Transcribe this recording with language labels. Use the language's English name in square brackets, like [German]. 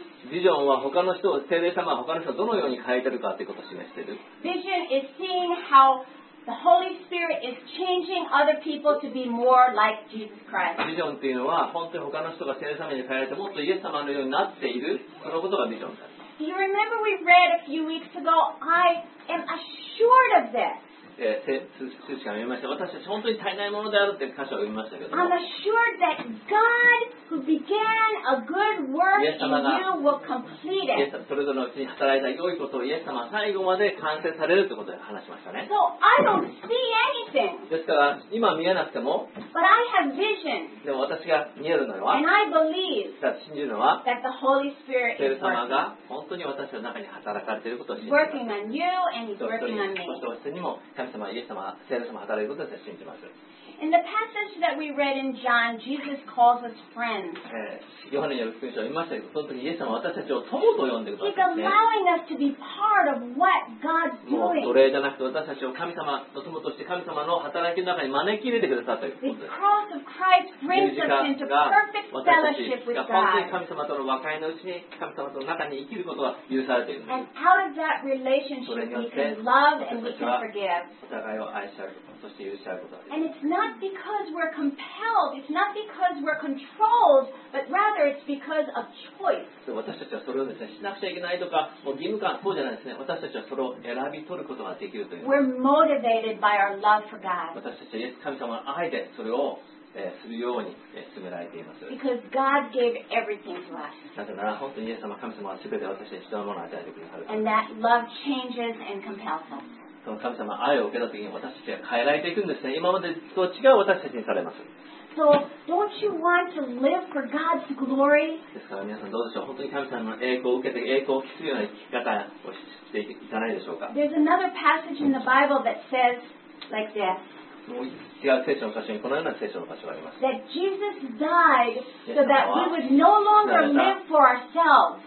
[Japanese] ビジョンは他の人を聖霊様は他の人をどのように変えてるかということを示している。 [English] Vision is seeing how the Holy Spirit is changing other people to be more like Jesus Christ. [Japanese] ビジョンというのは本当に他の人が聖霊様に変えられてもっとイエス様のようになっている、そのことがビジョンだ。 [English] Do you remember we read a few weeks ago? I am assured of this. I'm assured that God who began a good work in you will complete it. So I don't see anything. But I have vision. And I believe that the Holy Spirit is working on you and he's working on me. In the passage that we read in John, Jesus calls us friends. He's allowing us to be part of what God's doing. [Japanese] 奴隷じゃなくて私たちを神様の友として神様の働きの中に招き入れてくださったということです。 [English] The cross of Christ brings us into perfect fellowship with God. [Japanese] 私たちが本当に神様との和解のうちに神様との中に生きることが許されているんです。 [English] And out of that relationship, we can love and we can forgive. And it's not because we're compelled, it's not because we're controlled, but rather it's because of choice. [Japanese] So, 私たちはそれをですね、しなくちゃいけないとか、もう義務感、そうじゃないですね。私たちはそれを選び取ることができるという。 [English] We're motivated by our love for God. [Japanese] 私たちはイエス神様の愛でそれを、するように、進められています。 [English] Because God gave everything to us. [Japanese] なぜなら、本当にイエス様、神様は全て私たちに必要なものを与えてくださる。 [English] And that love changes and compels us. [Japanese] その神様愛を受けた時に私たちが変えられていくんですね。今までと違う私たちにされます。 [English] So, don't you want to live for God's glory? [Japanese] ですから皆さんどうでしょう。本当に神様の栄光を受けて栄光を期するような生き方をしていかないでしょうか。 [English] There's another passage in the Bible that says like this. [Japanese] もう違う聖書の箇所にこのような聖書の箇所があります。 [English] That Jesus died so that we would no longer live for ourselves.